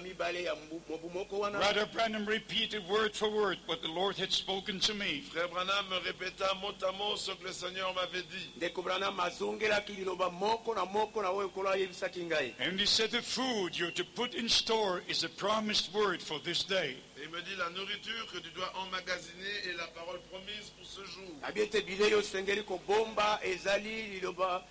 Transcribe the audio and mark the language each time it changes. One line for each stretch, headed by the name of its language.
English: Brother Branham repeated word for word what the Lord had spoken to me.
French: Frère Branham me répéta mot à mot ce que le Seigneur m'avait dit.
English: And he said, the food you're to put in store is a promised word for this day.
French: Et il me dit, la nourriture que tu dois emmagasiner est la parole promise pour ce jour.